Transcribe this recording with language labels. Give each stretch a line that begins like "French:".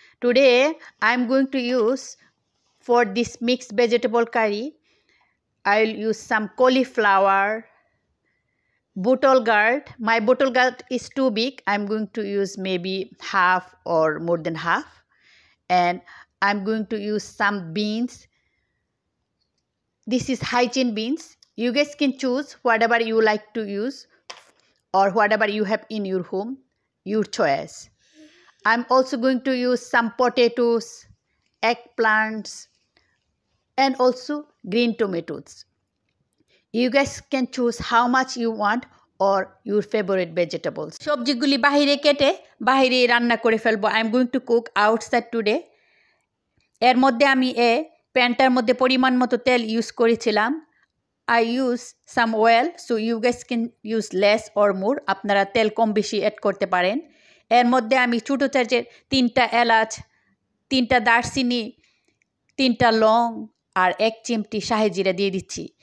English: Today I am going to use for this mixed vegetable curry I will use some cauliflower, bottle gourd. My bottle gourd is too big, I am going to use maybe half or more than half. And I'm going to use some beans. This is hygiene beans. You guys can choose whatever you like to use or whatever you have in your home, your choice. I'm also going to use some potatoes, eggplants, and also green tomatoes. You guys can choose how much you want or your favorite vegetables.
Bangla: Shobji guli bahire kete, bahire ranna kore felbo.
English: I'm going to cook outside today.
Bangla: এর মধ্যে আমি এ প্যানটার মধ্যে পরিমাণ মতো তেল use করেছিলাম।
English: I use some oil, so you guys can use less or more,
Bangla: আপনারা তেল কম বেশি অ্যাড করতে পারেন। এর মধ্যে আমি ছোটো চার্চের তিনটা এলাচ, তিনটা দারচিনি, তিনটা লং আর এক চিমটি শাহি জিরা দিয়ে দিচ্ছি।